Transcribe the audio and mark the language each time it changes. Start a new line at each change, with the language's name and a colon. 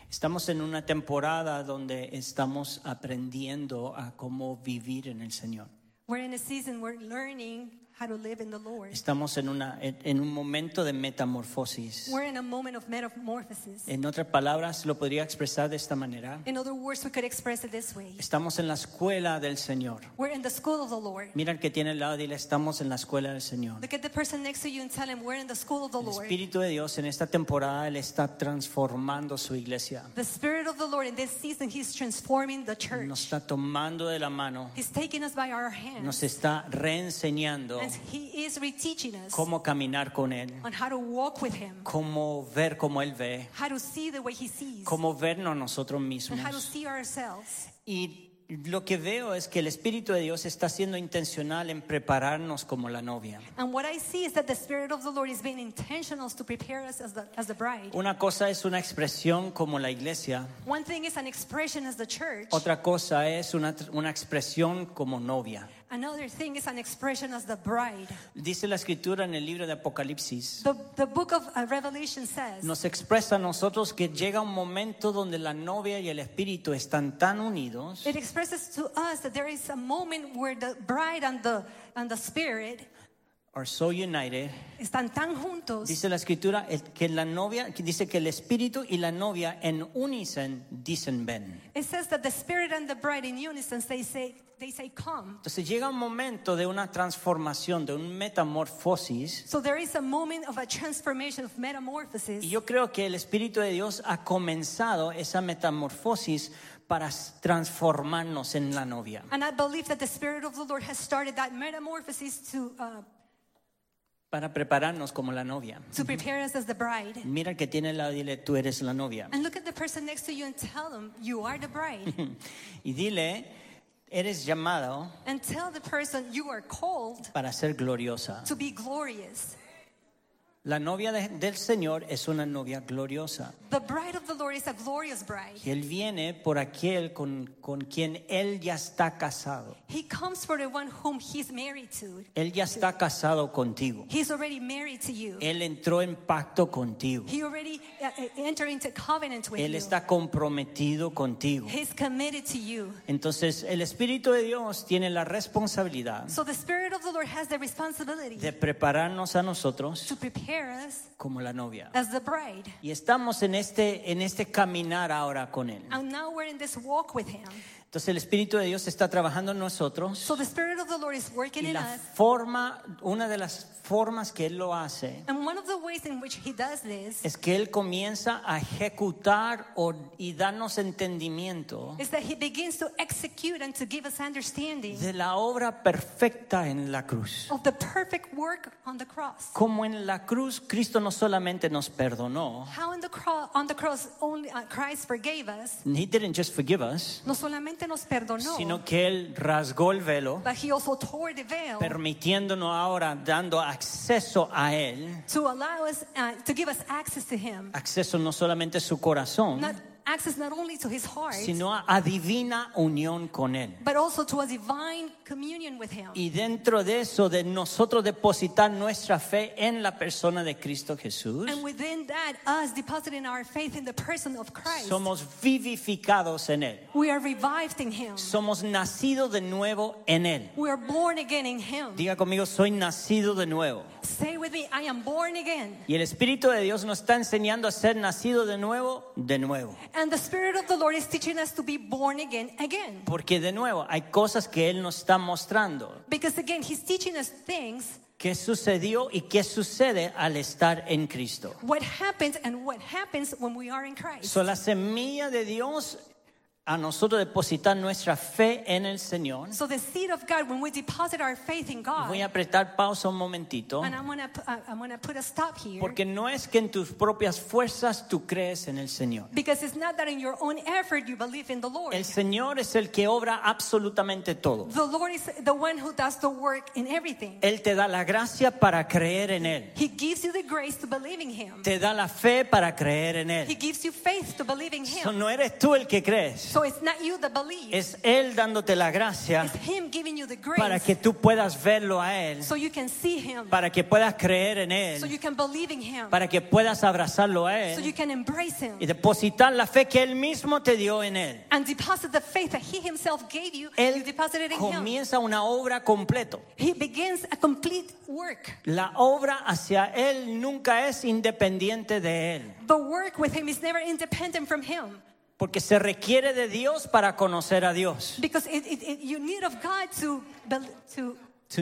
Spanish: Estamos en una temporada donde estamos aprendiendo a cómo vivir en el Señor.
English: We're in a season we're learning how to live in the Lord.
Spanish: Estamos en un momento de metamorfosis.
English: We're in a moment of metamorphosis.
Spanish: En otras palabras, lo podría expresar de esta manera.
English: In other words, we could express it this way.
Spanish: Estamos en la escuela del Señor.
English: We're in the school of the Lord.
Spanish: Mira al que tiene al lado y dile, estamos en la escuela del Señor.
English: Look at the person next to you and tell him we're in the school of the Lord.
Spanish: El Espíritu de Dios en esta temporada él está transformando su iglesia.
English: The Spirit of the Lord in this season he's transforming the church.
Spanish: Nos está tomando de la mano.
English: He's taking us by our hands.
Spanish: Nos está reenseñando.
English: And he is reteaching us
Spanish: cómo caminar con él,
English: on how to walk with him,
Spanish: cómo ver como él ve,
English: how to see the way he sees,
Spanish: cómo vernos nosotros mismos,
English: and how to see ourselves.
Spanish: Y lo que veo es que el Espíritu de Dios está siendo intencional en prepararnos como la novia.
English: And what I see is that the Spirit of the Lord is being intentional to prepare us as the bride.
Spanish: Una cosa es una expresión como la iglesia.
English: One thing is an expression as the church.
Spanish: Otra cosa es una expresión como novia.
English: Another thing is an expression as the bride.
Spanish: Dice la escritura en el libro de Apocalipsis.
English: The book of Revelation says.
Spanish: Nos expresa a nosotros que llega un momento donde la novia y el espíritu están tan unidos.
English: It expresses to us that there is a moment where the bride and the spirit are so united.
Spanish: Están tan juntos. Dice la escritura que la novia dice que el espíritu y la novia en unison dicen ven.
English: It says that the spirit and the bride in unison they say come.
Spanish: Entonces llega un momento de una transformación, de un metamorfosis.
English: So there is a moment of a transformation of metamorphosis.
Spanish: Y yo creo que el Espíritu de Dios ha comenzado esa metamorfosis para transformarnos en la novia.
English: And I believe that the Spirit of the Lord has started that metamorphosis to
Spanish: para prepararnos como la novia.
English: To prepare us as the bride.
Spanish: Mira al que tiene al lado y dile, tú eres la novia.
English: And look at the person next to you and tell them you are the bride.
Spanish: Y dile, eres llamado.
English: And tell the person you are called.
Spanish: Para ser gloriosa.
English: To be glorious.
Spanish: La novia del Señor es una novia gloriosa.
English: The bride of the Lord is a glorious bride.
Spanish: Y él viene por aquel con quien él ya está casado.
English: He comes for the one whom he's married to.
Spanish: Él ya está casado contigo.
English: He's already married to you.
Spanish: Él entró en pacto contigo.
English: He already entered into covenant with
Spanish: él Él está comprometido contigo.
English: He's committed to you.
Spanish: Entonces, el Espíritu de Dios tiene la responsabilidad.
English: So the Spirit of the Lord has the responsibility.
Spanish: De prepararnos a nosotros.
English: To prepare Paris,
Spanish: como la novia.
English: As the bride.
Spanish: Y estamos en este caminar ahora con él.
English: And now we're in this walk with him.
Spanish: Entonces el Espíritu de Dios está trabajando en nosotros.
English: So the Spirit of the Lord is working
Spanish: y la
English: in us.
Spanish: Forma, una de las formas que él lo hace.
English: And one of the ways in which he does this.
Spanish: Es que él comienza a ejecutar y darnos entendimiento.
English: Is that he begins to execute and to give us understanding.
Spanish: De la obra perfecta en la cruz.
English: Of the perfect work on the cross.
Spanish: Como en la cruz Cristo no solamente nos perdonó.
English: How in the cross, on the cross only Christ forgave us. He didn't just forgive us.
Spanish: No solamente nos perdonó, sino que él rasgó el velo,
English: veil,
Spanish: permitiéndonos ahora dando acceso a él,
English: to allow us, to give us access to him,
Spanish: acceso no solamente a su corazón,
English: access not only to his heart,
Spanish: sino a divina unión con él,
English: but also to a divine communion with him.
Spanish: Y dentro de eso, de nosotros depositar nuestra fe en la persona de Cristo Jesús,
English: and within that, us depositing our faith in the person of Christ,
Spanish: somos vivificados en él.
English: We are revived in him.
Spanish: Somos nacidos de nuevo en él.
English: We are born again in him.
Spanish: Diga conmigo, soy nacido de nuevo.
English: Say with me, I am born again.
Spanish: Y el Espíritu de Dios nos está enseñando a ser nacido de nuevo, de nuevo.
English: And the Spirit of the Lord is teaching us to be born again, again.
Spanish: Porque de nuevo, hay cosas que él nos está mostrando.
English: Because again, he's teaching us things.
Spanish: ¿Qué sucedió y qué sucede al estar en Cristo?
English: What happens and what happens when we are in Christ.
Spanish: So la semilla de Dios a nosotros depositar nuestra fe en el Señor.
English: So the seed of God, when we deposit our faith in God.
Spanish: Voy a apretar pausa un momentito.
English: And I'm gonna put a stop here.
Spanish: Porque no es que en tus propias fuerzas tú crees en el Señor.
English: Because it's not that in your own effort you believe in the Lord.
Spanish: El Señor es el que obra absolutamente todo.
English: The Lord is the one who does the work in everything.
Spanish: Él te da la gracia para creer en él.
English: He gives you the grace to believe in him.
Spanish: Te da la fe para creer en él.
English: He gives you faith to believe in him.
Spanish: So no eres tú el que crees.
English: So it's not you that believe.
Spanish: Es él dándote la gracia.
English: It's him giving you the grace.
Spanish: Para que tú puedas verlo a él.
English: So you can see him.
Spanish: Para que puedas creer en él.
English: So you can believe in him.
Spanish: Para que puedas abrazarlo a él.
English: So you can embrace him.
Spanish: Y depositar la fe que él mismo te dio en él.
English: And deposit the faith that he himself gave you.
Spanish: Él
English: you deposited in
Spanish: comienza
English: him.
Spanish: Una obra completo.
English: He begins a complete work.
Spanish: La obra hacia él nunca es independiente de él.
English: The work with him is never independent from him.
Spanish: Porque se requiere de Dios para conocer a Dios.
English: Because it you need of God to